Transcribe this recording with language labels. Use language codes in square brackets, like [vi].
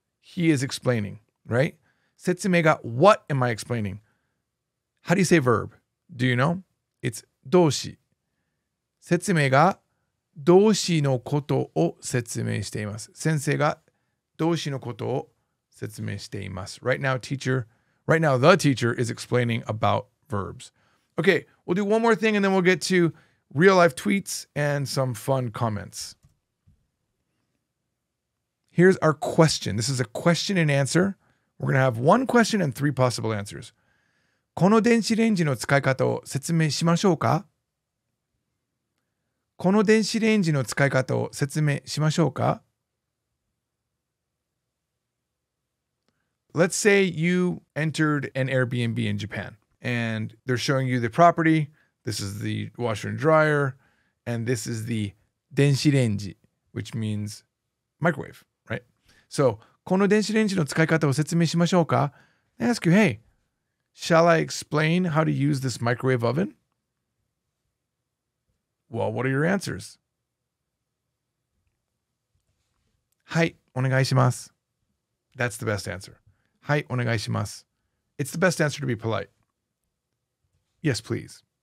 [en] He is explaining, right? [ja] 説明が [en] What am I explaining? How do you say verb? Do you know? It's [ja] 動詞。説明が動詞のことを説明しています。先生が動詞のことを説明しています。 [en] Right now, the teacher is explaining about verbs. Okay, we'll do one more thing and then we'll get to real life tweets and some fun comments. Here's our question. This is a question and answer. We're going to have one question and three possible answers. [ja] この電子レンジの使い方を説明しましょうか? この電子レンジの使い方を説明しましょうか? [en] Let's say you entered an Airbnb in Japan and they're showing you the property. This is the washer and dryer, and this is the 電子レンジ, which means microwave, right? So, [ja] この電子レンジの使い方を説明しましょうか? [en] They ask you, hey, shall I explain how to use this microwave oven? Well, what are your answers? [ja] はい、お願いします。 [en] That's the best answer. [ja] はい、お願いします。 [en] It's the best answer to be polite. Yes, please.